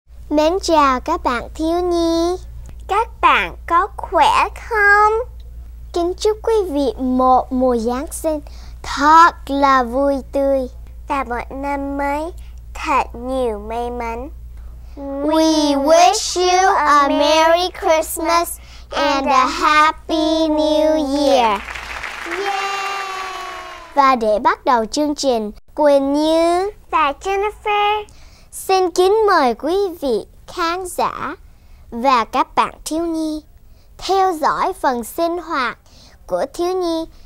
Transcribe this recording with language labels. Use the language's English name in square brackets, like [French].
[Vietnamese] Mến chào các bạn thiếu nhi. Các bạn có khỏe không? Kính chúc quý vị một mùa Giáng sinh thật là vui tươi và một năm mới thật nhiều may mắn. [English] We wish you a Merry Christmas and a Happy New Year. [Vietnamese] Và để bắt đầu chương trình, Quỳnh Như và Jennifer xin kính mời quý vị khán giả và các bạn thiếu nhi theo dõi phần sinh hoạt của thiếu nhi